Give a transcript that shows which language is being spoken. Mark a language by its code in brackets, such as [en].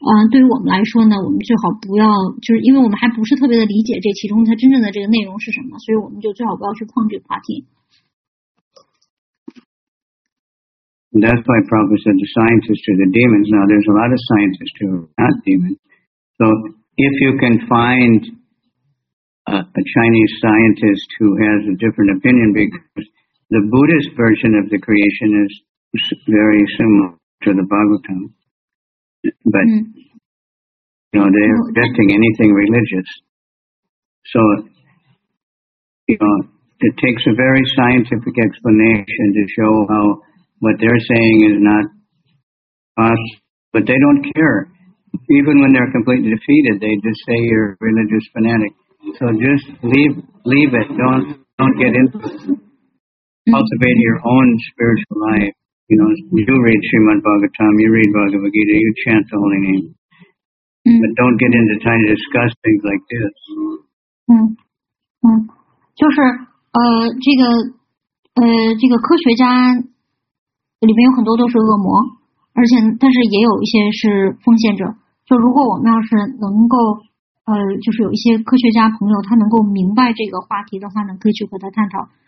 [zh] 对于我们来说呢，我们最好不要，就是因为我们还不是特别的理解这其中它真正的这个内容是什么，所以我们就最好不要去碰这个话题。 [en] That's why Prabhupada said the scientists are the demons. Now there's a lot of scientists who are not demons. So if you can findA Chinese scientist who has a different opinion, because the Buddhist version of the creation is very similar to the Bhagavatam, but you know, they're rejecting anything religious. So you know, it takes a very scientific explanation to show how what they're saying is not us, but they don't care. Even when they're completely defeated, they just say you're a religious fanatic. So just leave it. Don't get into it. Cultivate your own spiritual life. You know, you read Srimad Bhagavatam, you read Bhagavad Gita, you chant the holy name. But don't get into trying to discuss things like this. [zh] 就是这个科学家里面有很多都是恶魔，而且但是也有一些是奉献者。就如果我们要是能够就是有一些科学家朋友他能够明白这个话题的话呢，可以去和他探讨。